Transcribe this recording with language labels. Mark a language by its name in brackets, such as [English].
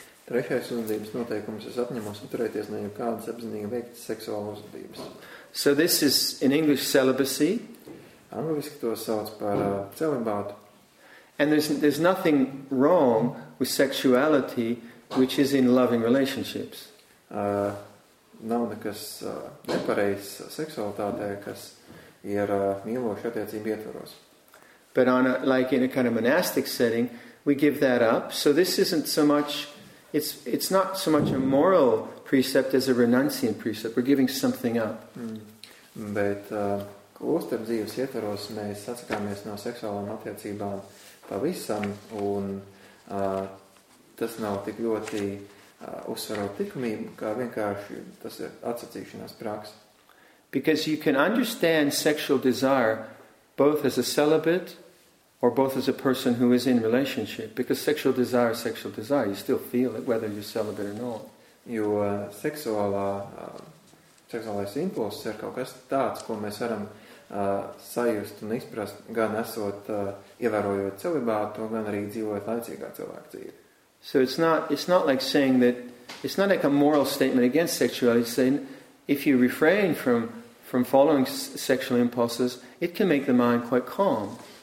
[Latvian] Trešais uzvedības noteikums, es apņemos atturēties no jebkādas apzinīga veikta seksuālas uzvedības. [English] So this is in English celibacy. [Latvian] Angliski to sauc par celibātu. [English] And there's nothing wrong with sexuality which is in loving relationships. [Latvian] Nav nekas nepareizs seksualitātē, kas ir mīlošu attiecību ietvaros. [English] But on a, like in a kind of monastic setting, we give that up. So this isn't so much, it's not so much a moral precept as a renunciant precept. We're giving something up. [Latvian] Bet Klosteru dzīves ietvaros mēs atsakāmies no seksuālām attiecībām pavisam, un tas nav tik ļoti uzsvarot tikumību, kā vienkārši tas ir atsacīšanās praksa. [English] Because you can understand sexual desire both as a celibate or both as a person who is in relationship. Because sexual desire, you still feel it whether you're celibate or not. [Latvian] Jo seksuālais impulss ir kaut kas tāds, ko mēs varam sajust un izprast, gan esot ievērojot celibātu, gan arī dzīvojot laicīgā cilvēka dzīvi. [English] So it's not like saying that, it's not like a moral statement against sexuality, it's saying if you refrain from following sexual impulses, it can make the mind quite calm.